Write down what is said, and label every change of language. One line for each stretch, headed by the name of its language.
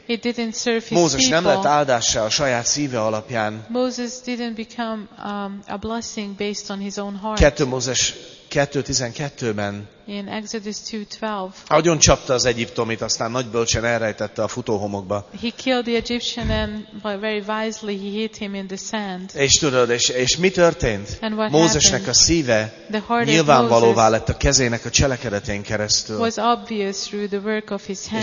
English: It didn't serve his
Hungarian: Mózes
English: people.
Hungarian: Nem lett áldással a saját szíve alapján.
English: Moses didn't become a blessing based on his own heart.
Hungarian: 2 Mózes 2:12-ben.
English: In Exodus 2:12.
Hungarian: Agyon csapta az egyiptomit, aztán nagy bölcsen elrejtette a futóhomokba.
English: He killed the Egyptian and very wisely he hit him in the sand.
Hungarian: És tudod, és mi történt?
English: And what
Hungarian: Mózesnek
English: happened?
Hungarian: A szíve nyilvánvalóvá lett a kezének a cselekedetén keresztül.
English: Was obvious through the work of his hand.